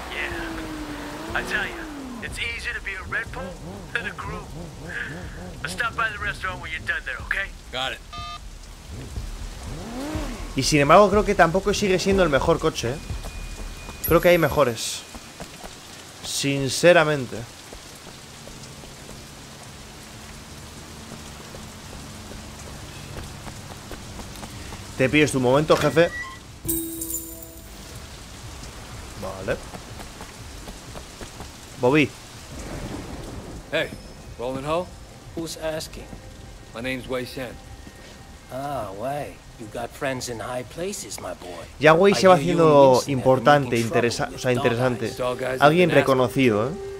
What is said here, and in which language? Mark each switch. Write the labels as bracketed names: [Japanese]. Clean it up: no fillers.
[English] Yeah. I tell you, it's easier to be a Red Bull than a crew. I'll stop by the restaurant when you're done there, okay? Got it. [Spanish] Y sin embargo, creo que tampoco sigue siendo el mejor coche, ¿eh? Creo que hay mejores. Sinceramente. Te pides tu momento, jefe. Vale. [English] Bobby. Hey, Roland Ho. Who's asking? My name's Wei Shen. Ah, Wei. You got friends in high places, my boy. [Spanish] Ya Wei se va haciendo importante, interesante. Alguien reconocido, ¿eh?